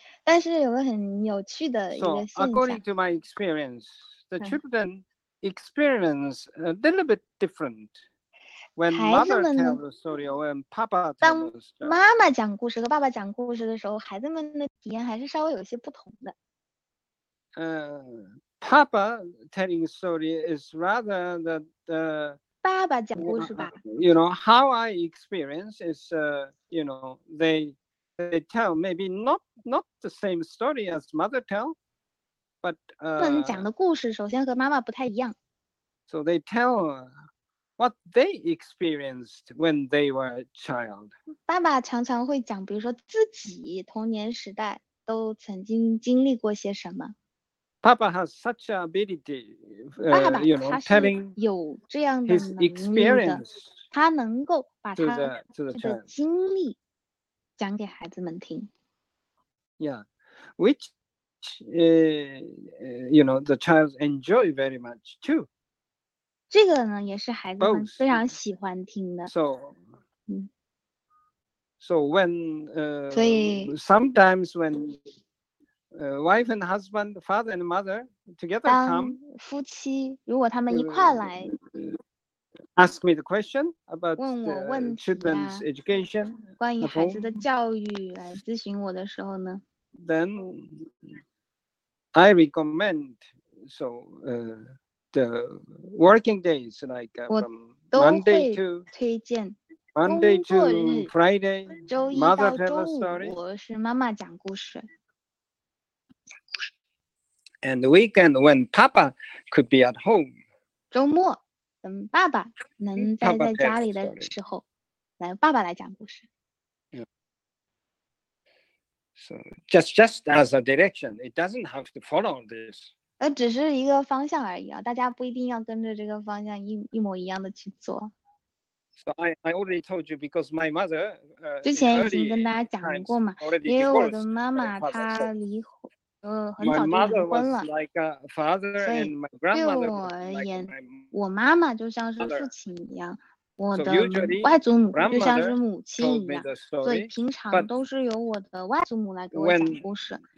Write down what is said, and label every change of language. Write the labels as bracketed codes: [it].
[zh] 但是有个很有趣的一个现象。 [en] So according to my experience, the children experience a little bit different when mother tells the story or when papa tells the story. [zh] 妈妈讲故事和爸爸讲故事的时候，孩子们的体验还是稍微有些不同的。 [en] Papa telling story is rather that [zh] 爸爸讲故事吧。 [en] You know how I experience is you know they tell maybe not the same story as mother tell, but [zh] 讲的故事首先和妈妈不太一样。 [en] So they tell what they experienced when they were a child. [zh] 爸爸常常会讲，比如说自己童年时代都曾经经历过些什么。 [en] Papa has such an ability, you know, telling his experience to the child. Yeah, which, you know, the child enjoys very much too. [zh] 这个呢也是孩子们非常喜欢听的。 [en] So when, sometimes when... wife and husband, father and mother together come. [zh] 夫妻如果他们一块来 [en] ask me the question about children's education, [zh] 关于孩子的教育来咨询我的时候呢 [en] then I recommend so the working days like from Monday to [zh] 推荐 [en] Monday to Friday, [zh] 周一到周五 [en] mother tell a story. [zh] 我是妈妈讲故事。 [en] And the weekend when Papa could be at home. [zh] 周末等爸爸能待在家里的时候，来爸爸来讲故事。 [en] So just as a direction, it doesn't have to follow this. [zh] 只是一个方向而已啊，大家不一定要跟着这个方向一模一样的去做。 [en] So I already told you because my mother. [zh] 之前已经跟大家讲过嘛，因为我的妈妈她离婚。 [en] My mother was like a father and my grandmother was like my mother. [zh] 我妈妈就像是父亲一样，我的外祖母就像是母亲一样，所以平常都是由我的外祖母来给我讲故事。